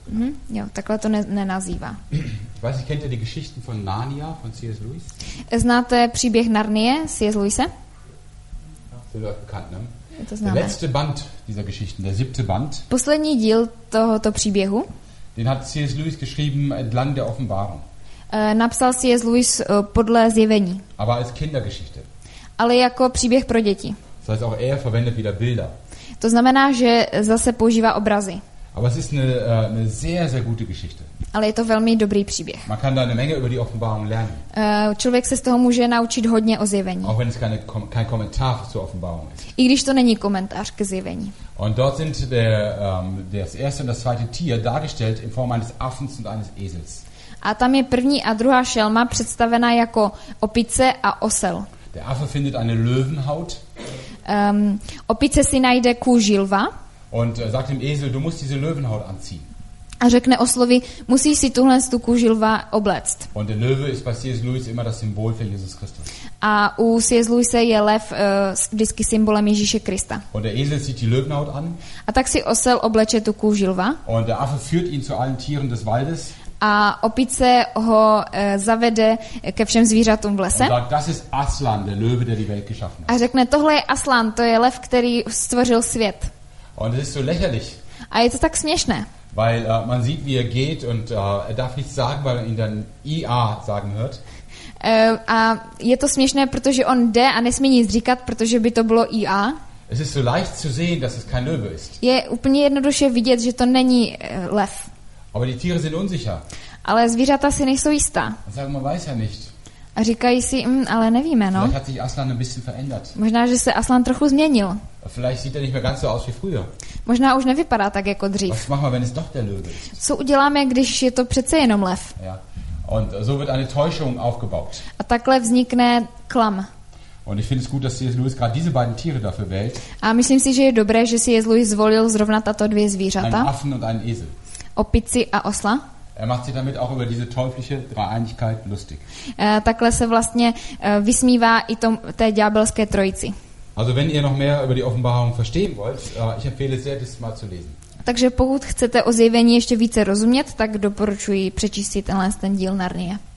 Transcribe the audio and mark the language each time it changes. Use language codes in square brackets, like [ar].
[de] Genau. [cs] Jo, takhle to nenazývá. [de] Ich weiß, kennt ihr die Geschichten von Narnia von C.S. Lewis? [cs] Znáte příběh Narnie C.S. Lewise? [de] Sind wir bekannt, ne? [cs] To známe. [de] Der letzte Band dieser Geschichten, der siebte Band. [cs] Poslední díl tohoto příběhu. [de] Den hat C.S. Lewis geschrieben entlang der Offenbarung. [cs] Napsal C.S. Lewis podle zjevení. [de] Aber als Kindergeschichte. [cs] Ale jako příběh pro děti. [de] Das heißt, auch er verwendet wieder Bilder. [cs] To znamená, že zase používá obrazy. [de] Aber es ist eine sehr, sehr gute Geschichte. [cs] Ale je to velmi dobrý příběh. [de] Man kann da eine Menge über die Offenbarung lernen. [cs] Člověk se z toho může naučit hodně o zjevení. [de] Auch wenn es kein Kommentar zur Offenbarung ist. [cs] I když to není komentář ke zjevení. [de] Und dort sind das erste und das zweite Tier dargestellt in Form eines Affens und eines Esels. [cs] A tam je první a druhá šelma představena jako opice a osel. [de] Der Affe findet eine Löwenhaut. [cs] Opice si najde kůži lva. [de] Und sagt dem Esel, du musst diese Löwenhaut anziehen. [cs] A řekne oslovi, musíš si tuhle tu kůži lva obléct. [de] Und der Löwe ist bei C.S. Lewis immer das Symbol für Jesus Christus. [cs] A u C.S. Lewise je lev vždycky symbolem Ježíše Krista. [de] Und der Esel zieht die Löwenhaut an. [cs] A tak si osel obleče tu kůži lva. [de] Und der Affe führt ihn zu allen Tieren des Waldes. [cs] A opice ho zavede ke všem zvířatům v lese. [de] Das ist Aslan, der Löwe, der die Welt geschaffen hat. [cs] A řekne, tohle je Aslan, to je lev, který stvořil svět. [de] Und es ist so lächerlich. [cs] A je to tak směšné. [de] Weil man sieht, wie er geht und er darf nichts sagen, weil man ihn dann IA sagen hört. [cs] A je to směšné, protože on jde a nesmí nic říkat, protože by to bylo IA. [de] Es ist so leicht zu sehen, dass es kein Löwe ist. [cs] Je úplně jednoduše vidět, že to není lev. [de] Aber die Tiere sind unsicher. [cs] Ale zvířata si nejsou jistá. [de] Sagen, man weiß ja nicht. [cs] A říkají si, ale nevíme, no. [de] Vielleicht hat sich Aslan ein bisschen verändert. [cs] Možná, že se Aslan trochu změnil. [de] Vielleicht sieht er nicht mehr ganz so aus wie früher. [cs] Možná už nevypadá tak jako dřív. [de] Was machen wir, wenn es doch der Löwe ist? [cs] Co uděláme, když je to přece jenom lev? [de] Ja. Und so wird eine Täuschung aufgebaut. [cs] A takhle vznikne klam. [de] Und ich finde es gut, dass C.S. Lewis gerade diese beiden Tiere dafür wählt. [cs] A myslím si, že je dobré, že C.S. Lewis zvolil zrovna tato dvě zvířata. [de] Einen Affen und einen Esel. [cs] Opici a osla. [de] Er macht sich damit auch über diese teuflische Dreieinigkeit lustig. [cs] Takhle se vlastně vysmívá i té ďábelské trojici. [de] Also wenn ihr noch mehr über die Offenbarung verstehen wollt, ich empfehle sehr, das mal zu lesen. [cs] Takže pokud chcete o zjevení ještě více rozumět, tak doporučuji přečíst si tenhle ten díl Narnie.